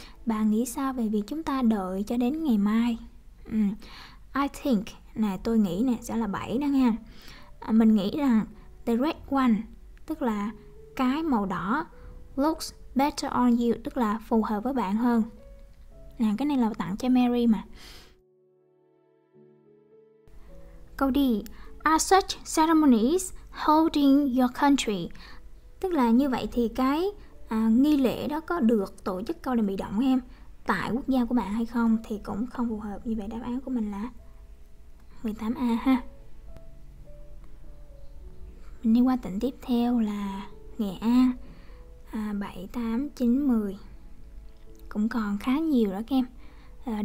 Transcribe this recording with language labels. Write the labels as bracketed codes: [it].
[vi] Bạn nghĩ sao về việc chúng ta đợi cho đến ngày mai? [en] I think, [vi] nè tôi nghĩ nè, sẽ là 7 đó nha. Mình nghĩ rằng [en] the red one, [vi] tức là cái màu đỏ, [en] looks better on you, [vi] tức là phù hợp với bạn hơn. Nè, cái này là tặng cho Mary mà. Câu D, [en] are such ceremonies holding your country? [vi] Tức là như vậy thì cái nghi lễ đó có được tổ chức, câu này bị động em, tại quốc gia của bạn hay không? Thì cũng không phù hợp. Như vậy đáp án của mình là 18A ha. Mình đi qua tỉnh tiếp theo là Nghệ An. 7, 8, 9, 10 cũng còn khá nhiều đó các em.